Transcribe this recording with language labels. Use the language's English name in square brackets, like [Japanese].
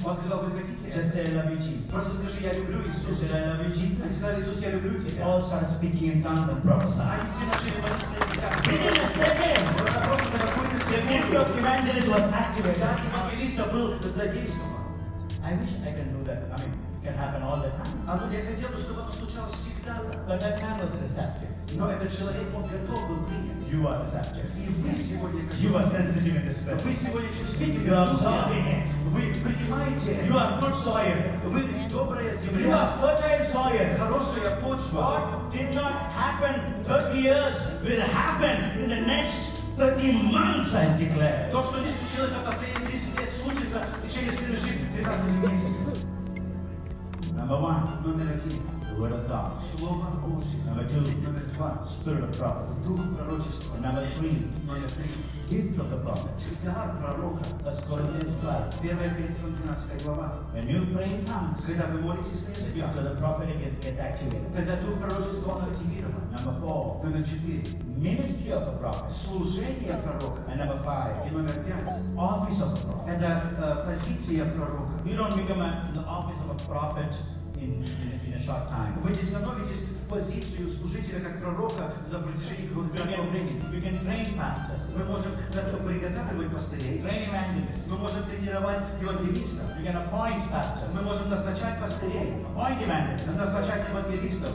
[Russian] Он сказал, вы хотите? [English] Just say, I love you, Jesus. [Russian] Просто скажи, я люблю Иисуса. [English] Say, I love you, Jesus. [Russian] Он сказал, Иисус, я люблю тебя. [English] All started speaking in tongues and prophesying. [Russian] Они все начали молиться на языках. [English] Within a second. [Russian] Просто за какую-то секунду. [English] The gift of evangelist was activated. [Russian] Евангелист был задействован. [English] I wish I can do that. I mean, can happen all the time. [Russian] А вот я хотел бы, чтобы оно случалось всегда. [English] But that man was receptive. [Russian] Но этот человек, он готов был принять. [English] You are receptive. [Russian] И вы сегодня готовы. [English] You are sensitive in the spirit. [Russian] Вы сегодня чувствительны. [English] You are absorbing it. [Russian] Вы принимаете это. [English] You are good soil. [Russian] Вы добрая земля. [English] You are fertile soil. [Russian] Хорошая почва. [English] What did not happen 30 years will happen in the next 30 months, I declare. [Russian] То, что не случилось за последние 30 лет, случится в течение следующих 13 месяцев. [English] Number one, the word of God. [Russian] Слово Божие. [English] Number two, number two, spirit of prophecy. [Russian] Дух пророчества. [English] Number three, gift of the prophet. [Russian] Дар пророка. [English] First Corinthians 12. [Russian] Первая Коринфянам 12 глава. [English] When you pray in tongues, [Russian] когда вы молитесь на языке, [English] after the prophetic gets activated, [Russian] тогда дух пророчества активирован. [English] Number four, number four, ministry of the prophet. [Russian] Служение пророка. [English] And number five, [Russian] и номер пять, [English] office of the prophet. [Russian] Это позиция пророка. [English] You don't become in the office of a prophet in a short time. [Russian] Вы не становитесь в позицию служителя как пророка за протяжении какого-то времени. [English] We can train pastors. [Russian] Мы можем приготавливать пастырей. [English] Train evangelists. [Russian] Мы можем тренировать евангелистов. [English] We can appoint pastors. [Russian] Мы можем назначать пастырей. [English] Appoint evangelists. [Russian] Назначать евангелистов.